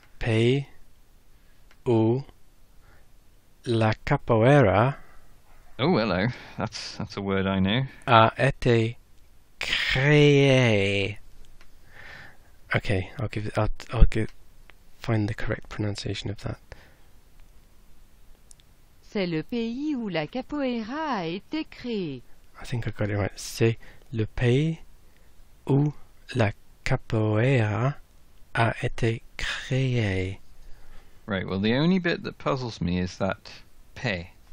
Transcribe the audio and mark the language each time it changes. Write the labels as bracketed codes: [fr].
[fr] Pay. O. La capoeira. [en] Oh, hello. That's a word I know. [fr] A été créé. [en] Okay, I'll find the correct pronunciation of that. [fr] C'est le pays où la capoeira a été créée. [en] I think I got it right. [fr] C'est le pays où la capoeira a été créée. [en] Right, well, the only bit that puzzles me is that pay.